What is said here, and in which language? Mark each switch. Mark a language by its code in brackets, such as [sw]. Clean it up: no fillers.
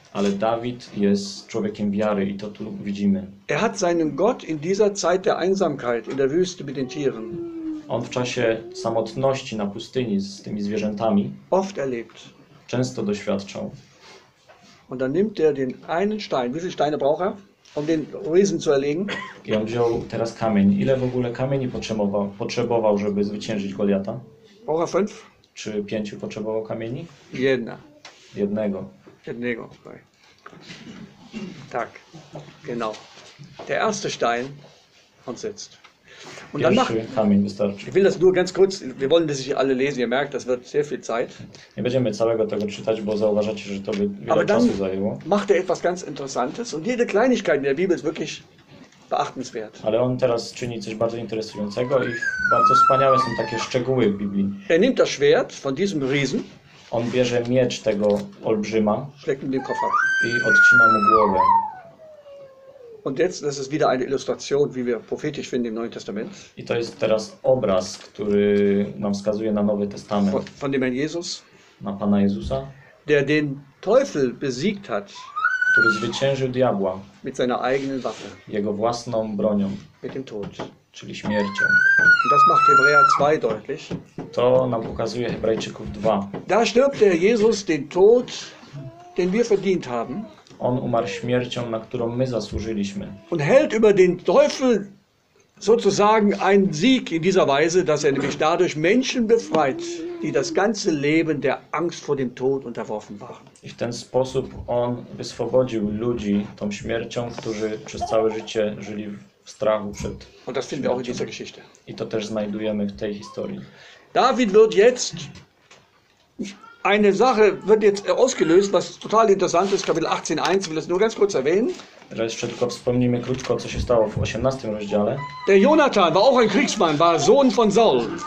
[pl] Ale Dawid jest człowiekiem wiary i to tu widzimy. [de] Er hat seinen Gott in dieser Zeit der Einsamkeit in der Wüste mit den Tieren. [pl] On w czasie samotności na pustyni z tymi zwierzętami [de] oft erlebt. [pl] Często doświadczał. [de] Und dann nimmt er den einen Stein. Wie viele Steine braucht er? um den Riesen zu erlegen. [pl] I on wziął teraz kamień. Ile w ogóle kamieni potrzebował, żeby zwyciężyć Goliata? [de] Ora fünf. [pl] Czy pięciu potrzebował kamieni? Jedna. Jednego. Jednego, okay. Tak, genau. [de] Der erste Stein und sitzt. Und dann macht, [pl] kamień wystarczy. [de] Ich will das nur ganz kurz, wir wollen das nicht alle lesen, ihr merkt, das wird sehr viel Zeit. [pl] Nie będziemy całego tego czytać, bo zauważacie, że to by wiele czasu zajęło. [de] Aber dann macht er etwas ganz Interessantes und jede Kleinigkeit in der Bibel ist wirklich beachtenswert. [pl] Ale on teraz czyni coś bardzo interesującego i bardzo wspaniałe są takie szczegóły w Biblii. [de] Er nimmt das Schwert von diesem Riesen. [pl] On bierze miecz tego olbrzyma. [de] Schlägt in den Koffer. [pl] I odcina mu głowę. [de] Und jetzt, das ist wieder eine Illustration, wie wir prophetisch finden im Neuen Testament. [pl] I to jest teraz obraz, który nam wskazuje na Nowy Testament. [de] Von dem Herrn Jesus. [pl] Na Pana Jezusa. [de] Der den Teufel besiegt hat. [pl] Który zwyciężył diabła. [de] Mit seiner eigenen Waffe. [pl] Jego własną bronią. [de] Mit dem Tod. [pl] Czyli śmiercią. [de] Und das macht Hebräer 2 deutlich. [pl] To nam pokazuje Hebrajczyków 2. [de] Da stirbt der Jesus den Tod, den wir verdient haben. [pl] On umarł śmiercią, na którą my zasłużyliśmy. [de] Und hält über den Teufel sozusagen einen Sieg in dieser Weise, dass er nämlich dadurch Menschen befreit, die das ganze Leben der Angst vor dem Tod unterworfen waren. [pl] I w ten sposób on wyswobodził ludzi tą śmiercią, którzy przez całe życie żyli w strachu przed. [de] Und das finden wir auch in dieser Geschichte. [pl] I to też znajdujemy w tej historii. [de] David wird jetzt eine Sache wird jetzt ausgelöst, was total interessant ist, Kapitel 18:1, will es nur ganz kurz erwähnen. [pl] Teraz jeszcze tylko wspomnimy krótko, co się stało w 18 rozdziale. [de] Der Jonathan war auch ein Kriegsmann, war Sohn von Saul.